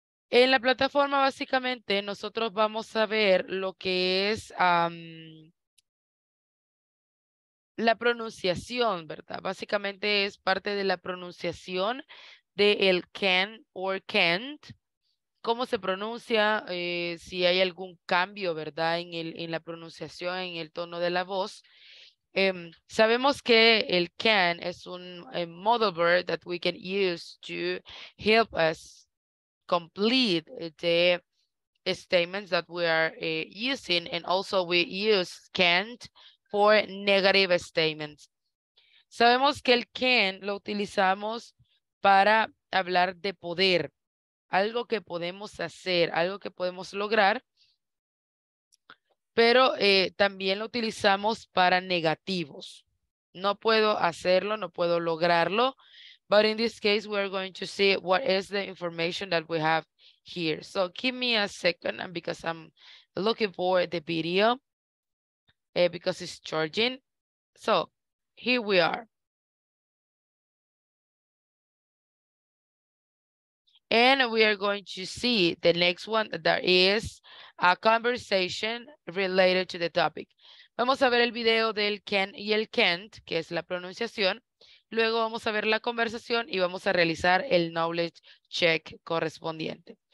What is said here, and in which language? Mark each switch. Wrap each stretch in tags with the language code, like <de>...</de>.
<es>En la plataforma, básicamente, nosotros vamos a ver lo que es la pronunciación, ¿verdad? Básicamente es parte de la pronunciación del can or can't. Cómo se pronuncia, si hay algún cambio, ¿verdad? En la pronunciación, en el tono de la voz. Sabemos que el can es un</es> <en>modal verb that we can use to help us complete the statements that we are using, and also we use can't for negative statements.</en> <es>Sabemos que el can lo utilizamos para hablar de poder, algo que podemos hacer, algo que podemos lograr, pero también lo utilizamos para negativos. No puedo hacerlo, no puedo lograrlo.</es> <en>But in this case, we're going to see what is the information that we have here. So give me a second because I'm looking for the video because it's charging. So here we are. And we are going to see the next one that there is a conversation related to the topic.</en> <es>Vamos a ver el video del can y el can't, que es la pronunciación. Luego vamos a ver la conversación y vamos a realizar el knowledge check correspondiente.</es>